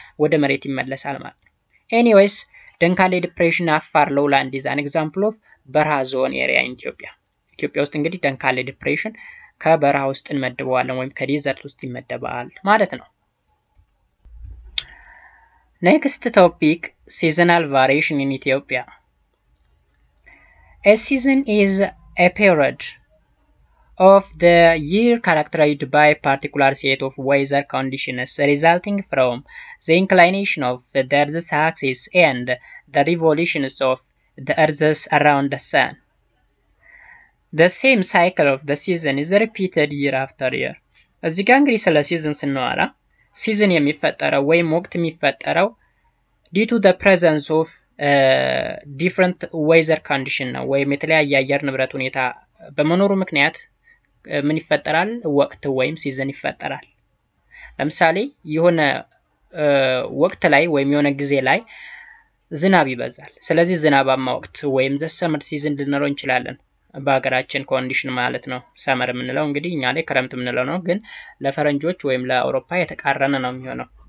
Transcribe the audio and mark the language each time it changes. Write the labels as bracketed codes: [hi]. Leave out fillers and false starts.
[am] ወደ መሬት ይመለሳል ማለት ነው። [en] ኤኒዌይስ ደንካሌ ዲፕሬሽን አፋር ሎውላንድ ኢዝ አን ኤግዛምፕል ኦፍ በረሃ ዞን ኤሪያ ኢትዮጵያ። [am] ኢትዮጵያ ውስጥ እንግዲህ ደንካሌ ዲፕሬሽን ከበረሃ ውስጥ እንመደባለን ወይም ከዲዘርት ውስጥ ይመደባል ማለት ነው። [en] Next topic, seasonal variation in Ethiopia. A season is a period of the year characterized by particular set of weather conditions resulting from the inclination of the Earth's axis and the revolutions of the Earth around the sun. The same cycle of the season is repeated year after year. [am] እዚህ ጋር እንግዲህ ስለ ሲዝንስ እናወራ። ሲዝን የሚፈጠረው ወይም ወቅት የሚፈጠረው [en] due to the presence of different weather condition [am] ነው ወይም የተለያየ አየር ንብረት ሁኔታ በመኖሩ ምክንያት ምን ይፈጠራል? ወቅት ወይም ሲዝን ይፈጠራል። ለምሳሌ የሆነ ወቅት ላይ ወይም የሆነ ጊዜ ላይ ዝናብ ይበዛል። ስለዚህ ዝናባማ ወቅት ወይም [en] the summer season [am] ልንለው እንችላለን። በአገራችን ኮንዲሽን ማለት ነው ሰመር ምንለው እንግዲህ እኛ ላይ ክረምት ምንለው ነው ግን ለፈረንጆች ወይም ለአውሮፓ የተቃረነ ነው የሚሆነው።